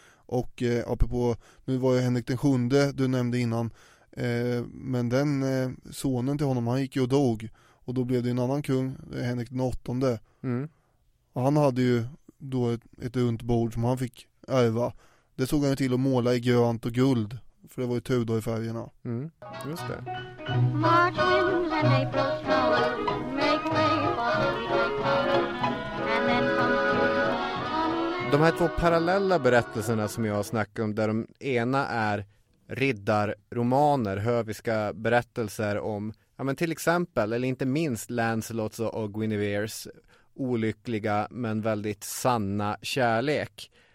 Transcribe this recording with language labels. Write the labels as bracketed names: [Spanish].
[Swedish] Och apropå, nu var ju Henrik den sjunde du nämnde innan, men den sonen till honom, han gick ju och dog, och då blev det en annan kung, Henrik den åttonde. Mm. Och han hade ju då ett runt bord som han fick ärva. Det såg han ju till att måla i grönt och guld. För det var ju Tudor i färgerna. Mm, just det. [English] March winds and April's colors make way for the sweet colors. [Swedish] De här två parallella berättelserna som jag snackar om, där de ena är riddarromaner, höviska berättelser om, ja, men till exempel, eller inte minst, Lancelots och Guinevere's olyckliga men väldigt sanna kärlek.